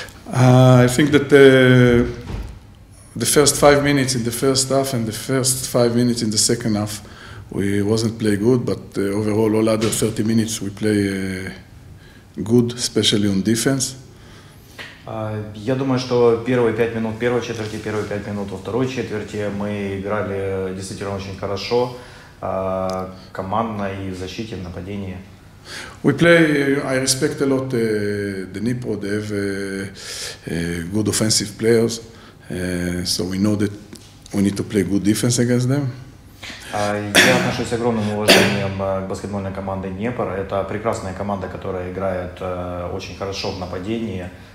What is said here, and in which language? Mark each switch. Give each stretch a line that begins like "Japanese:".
English: I think that the first 5 minutes in the first half and the first 5 minutes in the second half, we wasn't play good, but overall all other 30 minutes we play good, especially on defense.
Russian: Я думаю, что первые 5 минут первой четверти, первые 5 минут во второй четверти мы играли действительно очень хорошо, командно и в защите, в нападении.
English: We play, I respect a lot the Dnipro, they have good offensive players, so we know that we need to play good defense against them.
Russian: Я отношусь с огромным уважением к баскетбольной команде Днепр. Это прекрасная команда, которая играет очень хорошо в нападении.